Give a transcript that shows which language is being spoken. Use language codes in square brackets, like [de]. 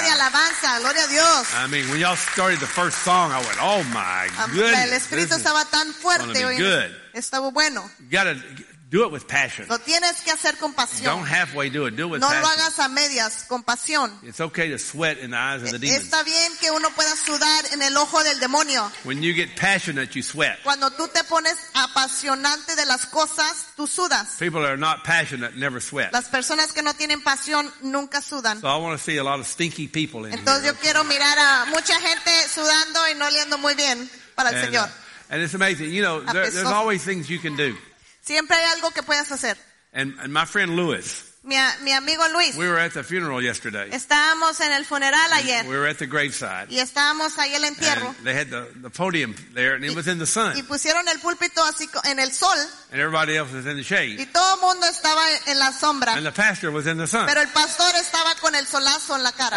[es] De alabanza. Gloria a Dios. [en] I mean, when y'all started the first song, I went, oh my goodness. [es] El espíritu estaba tan fuerte. [en] Good. [es] Estaba bueno. [en] You got to do it with passion. [es] Lo tienes que hacer con pasión. [en] Don't halfway do it. Do it with [es] no [en] passion. [es] No lo hagas a medias, con pasión. [en] It's okay to sweat in the eyes of the demons. [es] Está bien que uno pueda sudar en el ojo del demonio. [en] When you get passionate, you sweat. [es] Cuando tú te pones apasionante de las cosas, tú sudas. [en] People that are not passionate never sweat. [es] Las personas que no tienen pasión nunca sudan. [en] So I want to see a lot of stinky people in [es] entonces [en] here. [es] Yo quiero mirar a mucha gente sudando y no oliendo muy bien para el [en] and, [es] Señor. [en] And it's amazing. You know, there's always things you can do. [es] Siempre hay algo que puedas hacer. [en] And my friend Luis. [es] Mi amigo Luis. [en] We were at the funeral yesterday. [es] Estábamos en el funeral ayer. [en] We were at the graveside. [es] Y estábamos ahí el entierro. [en] And they had the podium there and it was in the sun. [es] Y pusieron el púlpito así en el sol. [en] And everybody else was in the shade. [es] Y todo el mundo estaba en la sombra. [en] And the pastor was in the sun. [es] Pero el pastor estaba con el solazo en la cara.